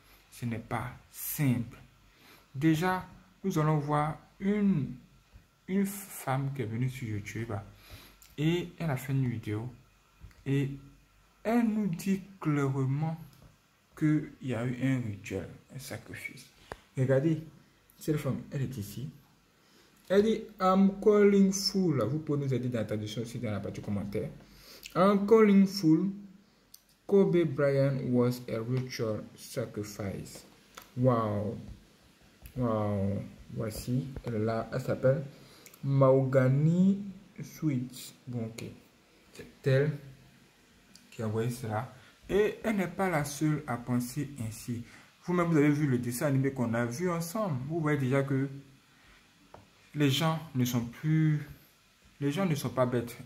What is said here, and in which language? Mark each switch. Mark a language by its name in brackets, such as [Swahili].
[French] Ce n'est pas simple. Déjà, nous allons voir une femme qui est venue sur YouTube et elle a fait une vidéo et elle nous dit clairement qu'il y a eu un rituel, un sacrifice. Regardez, cette femme, elle est ici. Elle dit: [English] I'm calling fool. [French] Vous pouvez nous aider dans la traduction aussi dans la partie commentaire. [English] I'm calling fool. Kobe Bryant was a ritual sacrifice. [French] Waouh! Waouh! Voici, elle est là. Elle s'appelle Maugani Sweets. Bon, ok. C'est elle qui a envoyé cela. Et elle n'est pas la seule à penser ainsi. Vous-même, vous avez vu le dessin animé qu'on a vu ensemble. Vous voyez déjà que les gens ne sont plus. Les gens ne sont pas bêtes.